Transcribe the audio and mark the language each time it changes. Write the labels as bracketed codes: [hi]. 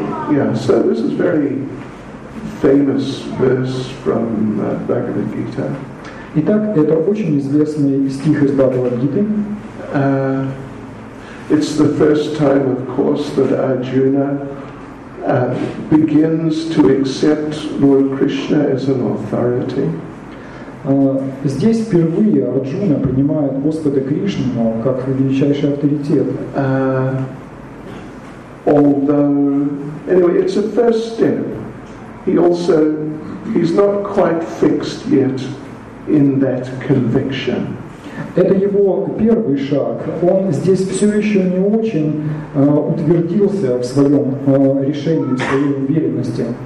[en] Yeah, so this is very famous verse from Bhagavad Gita. [ru] Итак, это очень известный стих из Бхагавад Гиты. [en] It's the first time, of course, that Arjuna begins to accept Lord Krishna as an authority. [ru] Здесь впервые Арджуна принимает Господа Кришну как величайший авторитет. [en] Although, it's a first step. He's not quite fixed yet in that conviction. [ru] Это его первый шаг. Он здесь все еще не очень утвердился в своем решении, в своей уверенности.